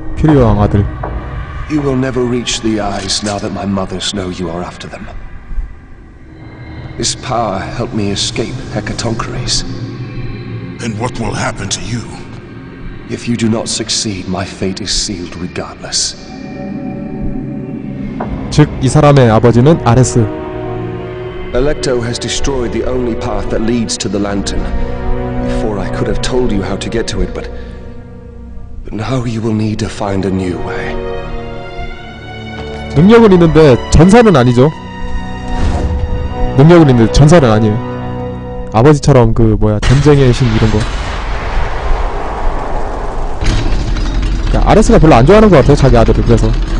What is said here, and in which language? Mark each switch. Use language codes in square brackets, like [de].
[en] You will never reach the eyes now that my mothers know you are after them. This power helped me escape Hecatoncheires. And what will happen to you? If you do not succeed, my fate is sealed regardless. [ko] 즉, 이 사람의 아버지는 아레스. [en] Electo has destroyed the only path that leads to the lantern. Before I could have told you how to get to it, but now you will need to find a new way. [ko] 능력은 있는데 전사는 아니죠. 능력은 있는데 전사는 아니에요. 아버지처럼 그 뭐야 전쟁의 신 이런 거. 아레스가 별로 안 좋아하는 것 같아요 자기 아들을 그래서.